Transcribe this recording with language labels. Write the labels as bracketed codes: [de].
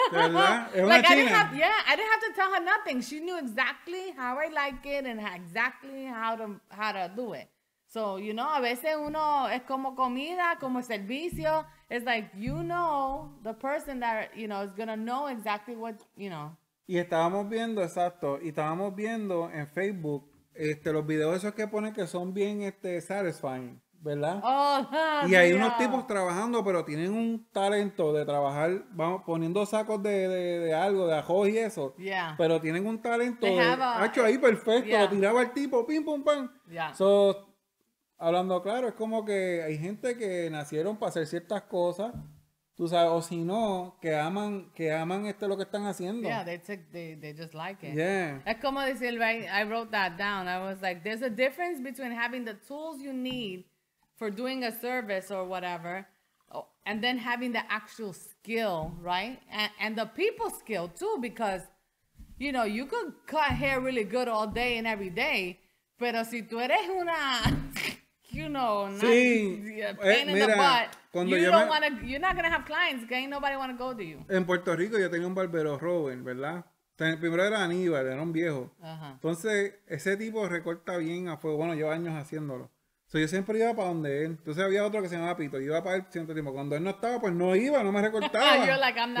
[en] I didn't have, I didn't have to tell her nothing. She knew exactly how I like it and exactly how to do it. So, you know, [es] a veces uno es como comida, como servicio. [en] It's like, you know, the person that, you know, is going to know exactly what, you know. [es] Y estábamos viendo, exacto, y estábamos viendo en Facebook los videos esos que ponen que son bien satisfying. ¿Verdad? [en] Oh, [es] y hay unos tipos trabajando, pero tienen un talento de trabajar, vamos, poniendo sacos de algo, de ajos y eso. [en] Yeah. [es] Pero tienen un talento. [en] They [es] de, hecho ahí perfecto, lo tiraba el tipo, pim, pum, pam. [en] Yeah. [es] So, hablando claro, es como que hay gente que nacieron para hacer ciertas cosas. Tú sabes, o si no, que aman esto lo que están haciendo. [en] Yeah, they just like it. Yeah. [es] Es como decir, [en] right? I wrote that down. I was like, there's a difference between having the tools you need for doing a service or whatever, and then having the actual skill, right? And the people skill too, because, you know, you could cut hair really good all day and every day, [es] pero si tú eres una... [en] You know, not [es] sí. [en] Pain [es] mira, [en] in the butt. You don't want to, you're not going to have clients, okay? Nobody want to go to you. [es] En Puerto Rico yo tenía un barbero, Robert, ¿verdad? Entonces, el primero era Aníbal, era un viejo. Uh-huh. Entonces, ese tipo recorta bien a fuego. Bueno, lleva años haciéndolo. So, yo siempre iba para donde él. Entonces, había otro que se llamaba Pito. Iba para él siempre tiempo. Cuando él no estaba, pues no iba, no me recortaba. [en] You're like, I'm not.